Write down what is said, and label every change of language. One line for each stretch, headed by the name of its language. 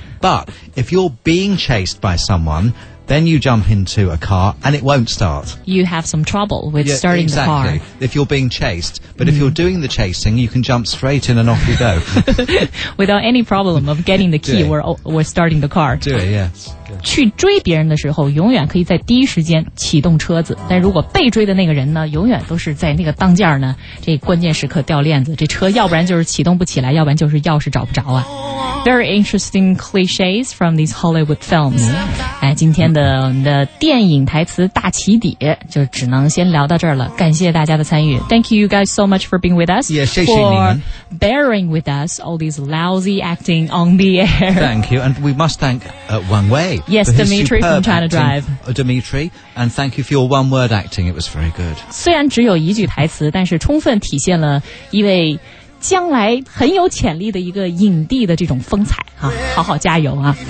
English: But if you're being chased by someone, then you jump into a car and it won't start. You have some trouble with yeah, starting exactly, Exactly, if you're being chased. But、mm. if you're doing the chasing, you can jump straight in and off you go. Without any problem of getting the key or starting the car. Do it, yes.
Chinese: 去追别人的时候永远可以在第一时间启动车子。但如果被追的那个人呢永远都是在那个当间呢这关键时刻掉链子。这车要不然就是启动不起来要不然就是钥匙找不着啊。
English: Very interesting cliches from these Hollywood films.、 Mm-hmm.
Chinese: 哎、今天的我们的电影台词大起底就只能先聊到这儿了。感谢大家的参与。
English: Thank you guys so much for being with us. Yeah,
Chinese: 谢谢
English: For bearing with us all these lousy acting on the air. Thank you. And we must thank Wang Wei. Yes, Dimitri from China Drive. Dimitri, and thank you for your one word acting. It was very good.
Chinese: 虽然只有一句台词但是充分体现了一位将来很有潜力的一个影帝的这种风采啊，好好加油啊、